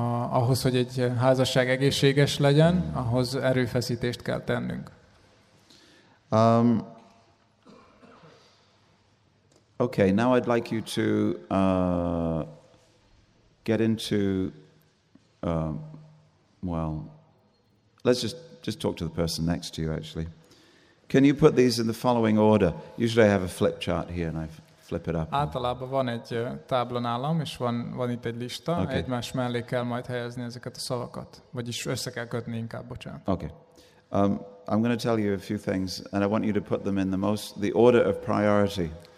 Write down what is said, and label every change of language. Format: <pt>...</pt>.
<hu>Ahhoz, hogy egy házasság egészséges legyen, ahhoz erőfeszítést kell tennünk.</hu> <en>Okay, now I'd like you to get into well, let's just talk to the person next to you actually. Can you put these in the following order? Usually I have a flip chart here and I flip it up.</en> <hu>Általában van egy tábla nálam, és van itt egy lista, okay. Egymás mellé kell majd helyezni ezeket a szavakat, vagyis össze kell kötni inkább, bocsánat.</hu> <en>Okay. I'm going to tell you a few things and I want you to put them in the order of priority.</en>